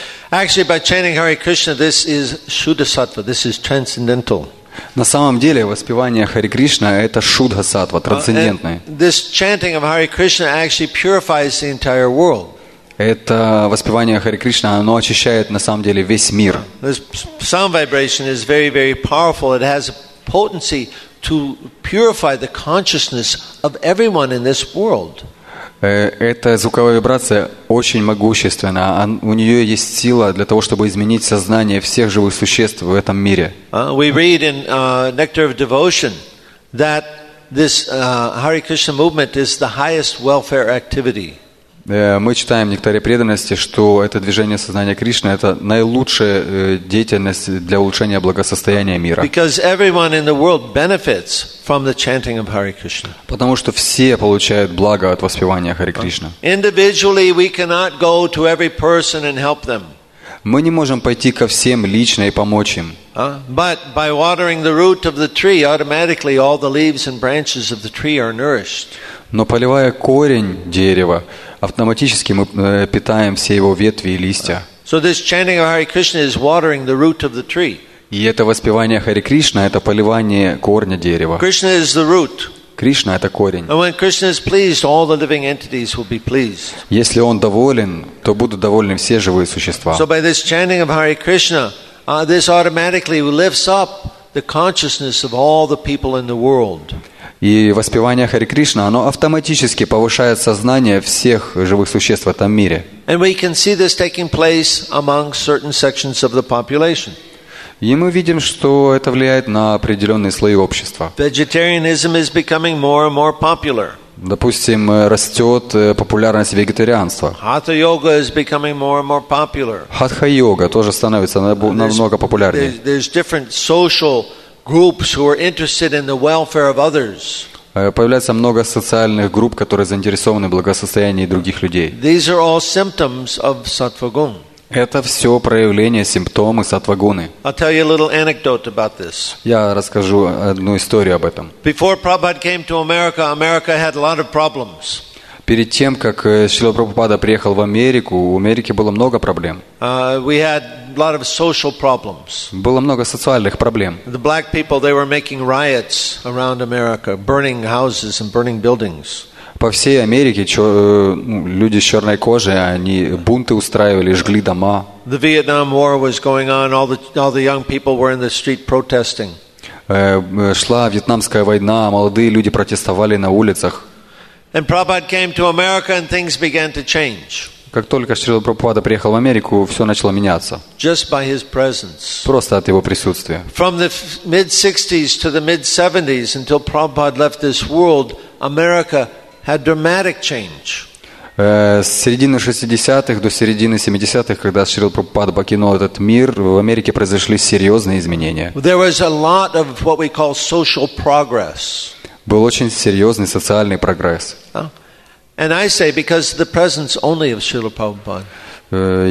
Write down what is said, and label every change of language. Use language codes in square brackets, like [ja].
[en] Actually, by chanting Hare Krishna, this is Shuddha Sattva. This is transcendental. [ru] На самом деле, воспевание Харе Кришна это Шудха Сатва, трансцендентное. [en] This chanting of Hare Krishna actually purifies the entire world. [ru] Это воспевание Харе Кришна, оно очищает на самом деле весь мир. [en] This sound vibration is very, very powerful. It has potency to purify the consciousness of everyone in this world. [ru] Эта звуковая вибрация очень могущественна. У нее есть сила для того, чтобы изменить сознание всех живых существ в этом мире. [en] We read in Nectar of Devotion that this Hare Krishna movement is the highest welfare activity. [ru] Мы читаем в Нектаре преданности, что это движение сознания Кришны это наилучшая деятельность для улучшения благосостояния мира. [en] Because everyone in the world benefits from the chanting of Hare Krishna. [ru] Потому что все получают благо от воспевания Харе Кришна. [en] Individually we cannot go to every person and help them. [ru] Мы не можем пойти ко всем лично и помочь им. [en] But by watering the root of the tree, automatically all the leaves and branches of the tree are nourished. [ru] Но поливая корень дерева, автоматически мы питаем все его ветви и листья. [en] So this chanting of Hare Krishna is watering the root of the tree. [ru] И это воспевание Хари Кришна — это поливание корня дерева. [en] Krishna is the root. [ru] Кришна — это корень. [en] And when Krishna is pleased, all the living entities will be pleased. [ru] Если он доволен, то будут довольны все живые существа. [en] So by this chanting of Hare Krishna, this automatically lifts up the consciousness of all the people in the world. [ru] И воспевание Хари Кришна, оно автоматически повышает сознание всех живых существ в этом мире. [en] And we can see this taking place among certain sections of the population. [ru] И мы видим, что это влияет на определенные слои общества. [en] Vegetarianism is becoming more and more popular. [ru] Допустим, растет популярность вегетарианства. [en] Хатха-йога is becoming more and more popular. [ru] Хатха-йога тоже становится намного популярнее. [en] There's different social groups who are interested in the welfare of others. [ru] Появляется много социальных групп, которые заинтересованы в благосостоянии других людей. [en] These are all symptoms of сатва-гун. [ru] Это все проявления, симптомы сатвагуны. [en] I'll tell you a little anecdote about this. [ru] Я расскажу одну историю об этом. [en] Before Prabhupada came to America, America had a lot of problems. [ru] Перед тем, как Шрила Прабхупада приехал в Америку, у Америки было много проблем. [en] We had a lot of social problems. [ru] Было много социальных проблем. [en] The black people, they were making riots around America, burning houses and burning buildings. [ru] По всей Америке люди с черной кожей, они бунты устраивали, жгли дома. [en] The Vietnam War was going on, all the young people were in the street protesting. [ru] Шла вьетнамская война, молодые люди протестовали на улицах. [en] And Prabhupada came to America and things began to change. [ru] Как только Шрила Прабхупада приехал в Америку, все начало меняться. [en] Just by his presence. [ru] Просто от его присутствия. [en] From the mid-60s to the mid-70s until Prabhupada left this world, America had dramatic change. [ru] С середины 60-х до середины 70-х, когда Шрила Прабхупада покинул этот мир, в Америке произошли серьезные изменения. [en] There was a lot of what we call social progress. [ru] Был очень серьезный социальный прогресс. [en] And I say because the presence only of Srila Prabhupada.